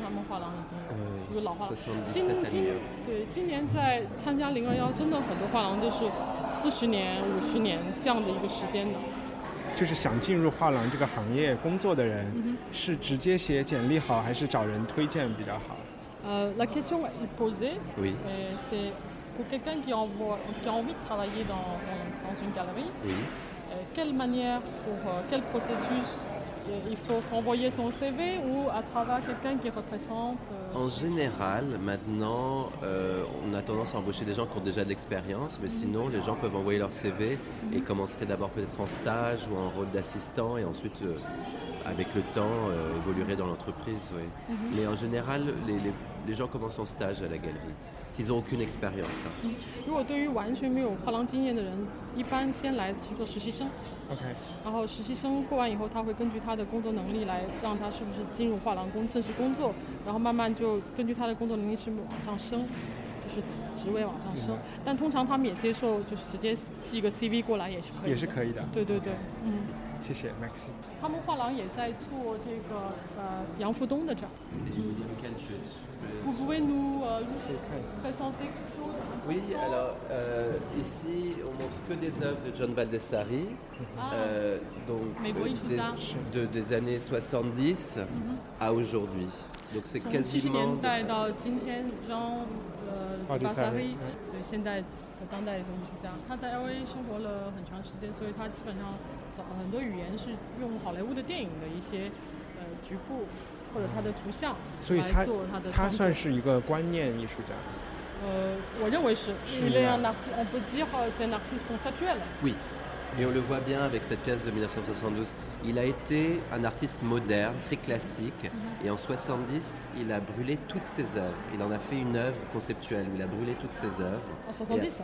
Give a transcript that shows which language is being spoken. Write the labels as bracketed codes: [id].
[zh] 他们画廊已经有一个老画廊。今年在参加021，真的很多画廊都是40年50年这样的一个时间的。就是想进入画廊这个行业工作的人，是直接写简历好还是找人推荐比较好？ [fr] La question est posée, c'est pour quelqu'un qui a envie de travailler dans une galerie, quelle manière, pour quel processus? Il faut envoyer son CV ou à travers quelqu'un qui représente En général, maintenant, on a tendance à embaucher des gens qui ont déjà de l'expérience, mais sinon, les gens peuvent envoyer leur CV et commenceraient d'abord peut-être en stage ou en rôle d'assistant et ensuite, avec le temps, évoluerait dans l'entreprise. Oui. Mais en général, les gens commencent en stage à la galerie. S'ils n'ont aucune expérience. Hein. [zh] 如果对于完全没有画廊经验的人，一般先来去做实习生。 Okay. 然后实习生过完以后，他会根据他的工作能力来让他是不是进入画廊正式工作，然后慢慢就根据他的工作能力是往上升，就是职位往上升。但通常他们也接受，就是直接寄个 CV 过来也是可以的。也是可以的。对对对。 Okay. 谢谢 Maxi。他们画廊也在做这个杨富东的展。 [fr] Vous pouvez nous juste présenter quelque chose? Oui, alors ici on montre que des œuvres de John Baldessari, donc des années 70 à aujourd'hui. Donc c'est quasiment. De [zh] 70年代到今天 ，John Baldessari 对现代和当代的艺术家，他在 LA 生活了很长时间，所以他基本上找很多语言是用好莱坞的电影的一些局部。或者他的图像来做他的创作，所以他算是一个观念艺术家。我认为是。是 [fr] 啊。On peut dire c'est un artiste conceptuel. Oui. Et on le voit bien avec cette pièce de 1972. Il a été un artiste moderne, très classique. Et en 70, il a brûlé toutes ses œuvres. Il en a fait une œuvre conceptuelle. Il a brûlé toutes ses œuvres.